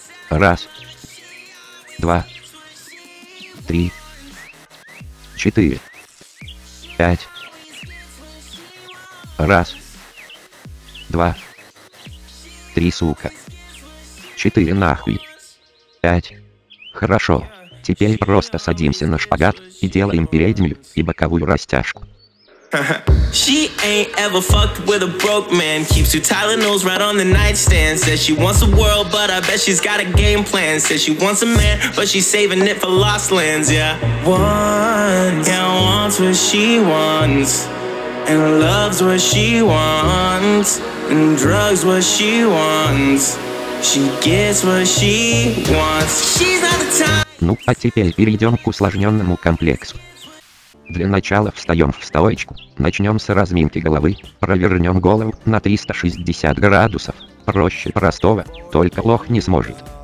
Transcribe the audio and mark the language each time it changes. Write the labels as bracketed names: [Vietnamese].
[Russian] Раз, два, три, 4, 5, раз, два, три, сука, 4, нахуй, 5, хорошо. Теперь просто садимся на шпагат и делаем переднюю и боковую растяжку. [English] She ain't ever fucked with a broke man. Keeps two Tylenols right on the nightstand. Says she wants a world, but I bet she's got a game plan. Says she wants a man, but she's saving it for lost lands, yeah. Wants, yeah, wants what she wants. And loves what she wants. And drugs what she wants. She gets what she wants. She's not the time. [Russian] Ну, а теперь перейдем к усложненному комплексу. Для начала встаем в стоечку, начнем с разминки головы, провернем голову на 360 градусов, проще простого, только лох не сможет.